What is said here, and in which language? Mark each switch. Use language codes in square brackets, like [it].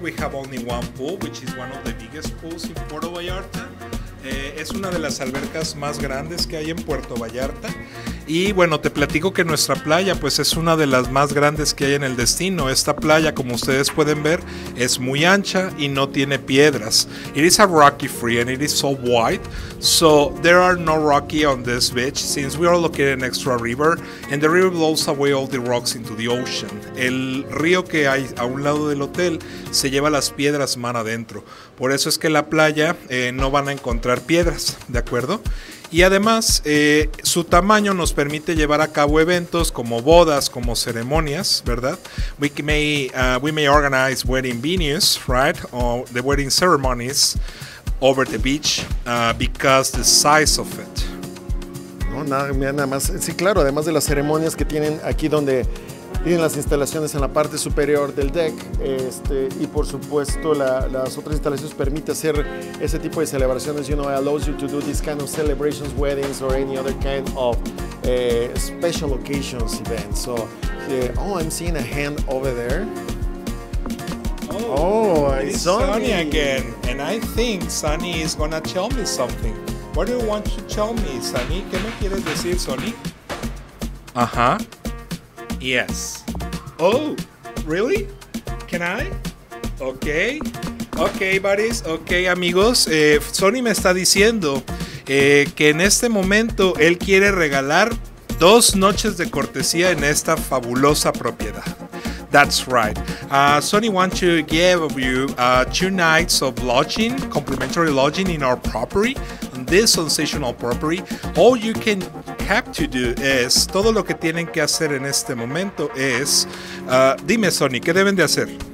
[en] We have only one pool, which is one of the biggest pools in Puerto Vallarta. [es] Es una de las albercas más grandes que hay en Puerto Vallarta. Y bueno, te platico que nuestra playa pues es una de las más grandes que hay en el destino. Esta playa, como ustedes pueden ver, es muy ancha y no tiene piedras. [en] It is a rocky free and it is so wide, so there are no rocky on this beach since we are located next to a river and the river blows away all the rocks into the ocean. [es] El río que hay a un lado del hotel se lleva las piedras mar adentro. Por eso es que la playa no van a encontrar piedras, ¿de acuerdo? Y además, su tamaño nos permite llevar a cabo eventos como bodas, como ceremonias, ¿verdad? [en] We may organize wedding venues, right? Or the wedding ceremonies over the beach because the size of it. [es] No, nada más. Sí, claro, además de las ceremonias que tienen aquí donde tienen las instalaciones en la parte superior del deck, y por supuesto las otras instalaciones permiten hacer ese tipo de celebraciones. [en] You know, it allows you to do this kind of celebrations, weddings, or any other kind of special occasions events. So, I'm seeing a hand over there. It's Sunny again, and I think Sunny is gonna tell me something. What do you want to tell me, Sunny? [es] ¿Qué me quieres decir, Sunny? [en] Ajá. Yes. Oh, really? Can I? Okay. Okay, buddies. [es] Okay, amigos. Sony me está diciendo que en este momento él quiere regalar 2 noches de cortesía en esta fabulosa propiedad. [en] That's right. Sony wants to give you 2 nights of lodging, complimentary lodging in our property, this sensational property. All you can have to do is, [es] todo lo que tienen que hacer en este momento es, dime Sony, ¿qué deben de hacer?